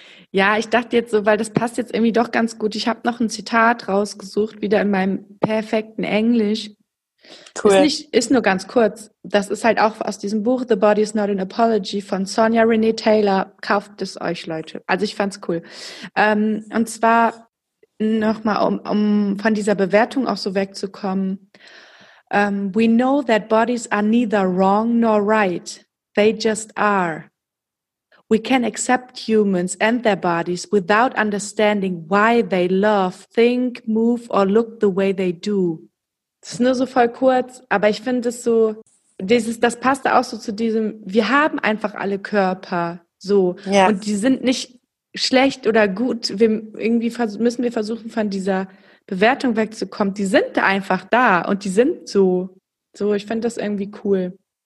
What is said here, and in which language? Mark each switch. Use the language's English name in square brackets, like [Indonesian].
[German] Ja, ich dachte jetzt so, weil das passt jetzt irgendwie doch ganz gut. Ich habe noch ein Zitat rausgesucht, wieder in meinem perfekten Englisch. Cool. Ist nur ganz kurz. Das ist halt auch aus diesem Buch The Body is Not an Apology von Sonia Renee Taylor. Kauft es euch, Leute. Also ich fand's cool. Und zwar nochmal, um von dieser Bewertung auch so wegzukommen. [English] We know that bodies are neither wrong nor right. They just are. We can accept humans and their bodies without understanding why they love, think, move or look the way they do. [German] Das ist nur so voll kurz, aber ich finde es so, das passt auch so zu diesem, wir haben einfach alle Körper so. Yes. Und die sind nicht schlecht oder gut. Müssen wir versuchen, von dieser Bewertung wegzukommen. Die sind einfach da und die sind so. So, ich finde das irgendwie cool.